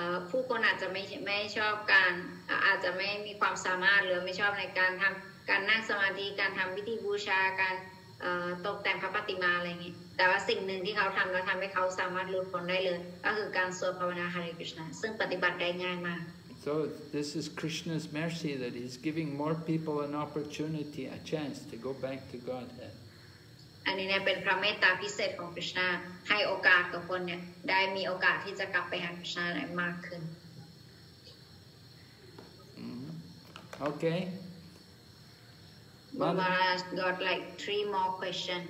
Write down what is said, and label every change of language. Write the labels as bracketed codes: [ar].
[th] ผู้คนอาจจะไม่ชอบการอาจจะไม่มีความสามารถหรือไม่ชอบในการทำการนั่งสมาธิการทำพิธีบูชาการตกแต่งพระปฏิมาอะไรอย่างเงี้ยแต่ว่าสิ่งหนึ่งที่เขาทำแล้วทำให้เขาสามารถหลุดพ้นได้เลยก็คือการสวดภาวนาฮาริกริชนาซึ่งปฏิบัติได้ง่ายมาก [en] So this is Krishna's mercy that he's giving more people an opportunity a chance to go back to Godhead [th] อันนี้เนี่ยเป็นพระเมตตาพิเศษของคริสต์นาให้โอกาสกับคนเนี่ยได้มีโอกาสที่จะกลับไปหาคริสต์นาได้มากขึ้น โอเค [en] มาราจ got like 3 more question